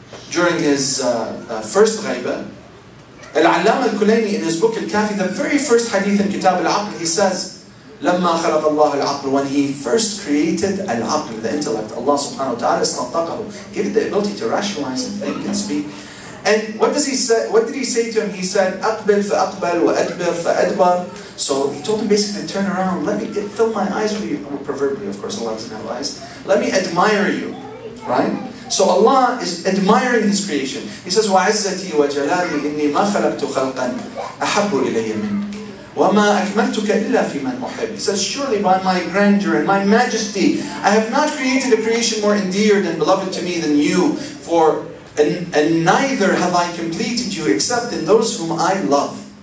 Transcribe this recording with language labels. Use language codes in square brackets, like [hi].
[en] during his first ghaibah, Al-Allama Al-Kulaini in his book Al-Kafi, the very first hadith in Kitab Al-Aql, he says, [ar] لما خلق الله العقل, [en] when he first created Al-Aql, the intellect, Allah subhanahu wa ta'ala استنطقه, gave it the ability to rationalize and think and speak. And what does he say? What did he say to him? He said, [ar] أقبل فأقبل وأدبر فأدبر. [en] So he told him basically, turn around, let me fill my eyes with you. Well, proverbially, of course, Allah doesn't have eyes. Let me admire you, right? So Allah is admiring His creation. He says, [ar] وَعِزَّتِي وَجَلَالِي إِنِّي مَا خَلَقْتُ خَلْقًا أَحَبُّ إِلَيَّ مِنْكَ وَمَا أَكْمَلْتُكَ إِلَّا فِي مَنْ أُحِبِّ. [en] He says, surely by my grandeur and my majesty, I have not created a creation more endeared and beloved to me than you, for and neither have I completed you except in those whom I love.